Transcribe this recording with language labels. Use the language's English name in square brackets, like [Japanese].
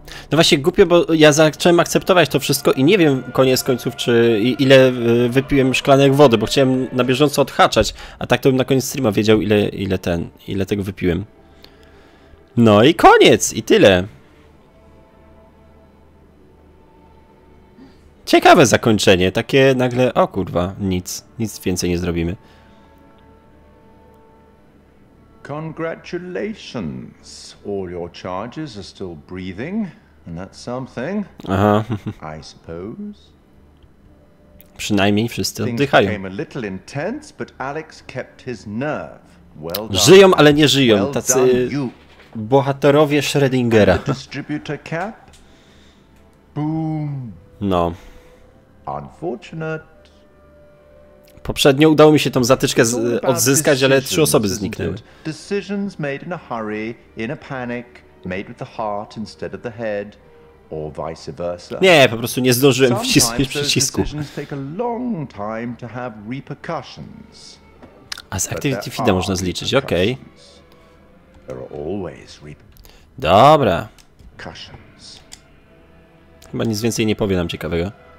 [Polish] No właśnie, głupio, bo ja zacząłem akceptować to wszystko i nie wiem koniec końców, czy ile wypiłem szklanek wody, bo chciałem na bieżąco odhaczać, a tak to bym na koniec streama wiedział, ile tego wypiłem. No i koniec, i tyle. Ciekawe zakończenie, takie nagle, o kurwa, nic więcej nie zrobimy. [English] Congratulations. All your charges are still breathing, and that's something. Aha. I suppose. [Polish] Przynajmniej wszyscy oddychają. [English] Things became a little intense, but Alex kept his nerve. Well done. [Polish] Żyją, ale nie żyją. Tacy bohaterowie Schrödingera. [English] Distributor cap. Boom. No. Unfortunate. [Polish] Poprzednio udało mi się tą zatyczkę odzyskać, ale trzy osoby zniknęły. [English] Decisions made in a hurry, in a panic, made with the heart instead of the head, or vice versa. [Polish] Nie, po prostu nie zdążyłem wcisnąć przycisku. [English] Take a long time to have repercussions. [Polish] A z Activity Feeda można zliczyć, okej. [English] Okay. [Polish] Dobra. Chyba nic więcej nie powie nam ciekawego.